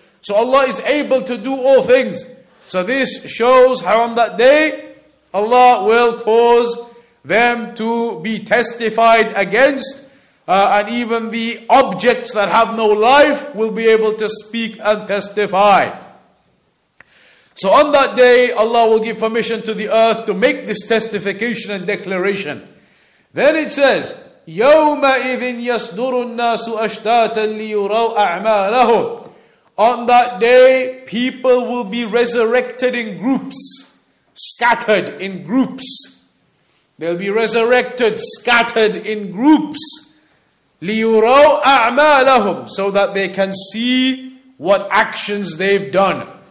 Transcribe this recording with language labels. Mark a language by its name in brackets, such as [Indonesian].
[English] So Allah is able to do all things. So this shows how on that day, Allah will cause them to be testified against. And even the objects that have no life will be able to speak and testify. So on that day, Allah will give permission to the earth to make this testification and declaration. Then it says, [Arabic] يَوْمَ إِذٍ يَصْدُرُ النَّاسُ أَشْتَاتًا لِيُرَوْا أَعْمَالَهُمْ. [English] On that day, people will be resurrected in groups, scattered in groups. They'll be resurrected, scattered in groups. [Arabic] لِيُرَوْا أَعْمَالَهُمْ. [English] So that they can see what actions they've done.